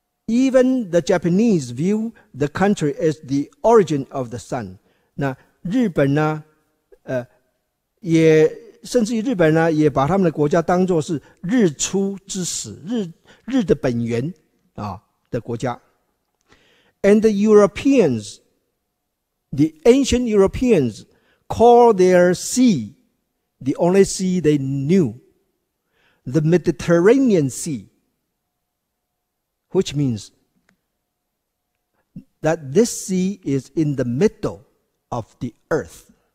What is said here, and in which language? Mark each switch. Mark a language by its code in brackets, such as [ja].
[en] Even the Japanese view the country as the origin of the sun. [zh] 那日本呢，也甚至于日本呢，也把他们的国家当作是日出之始，日的本源啊的国家。 [en] And the Europeans, the ancient Europeans, call their sea The only sea they knew, the Mediterranean Sea, which means that this sea is in the middle of the earth.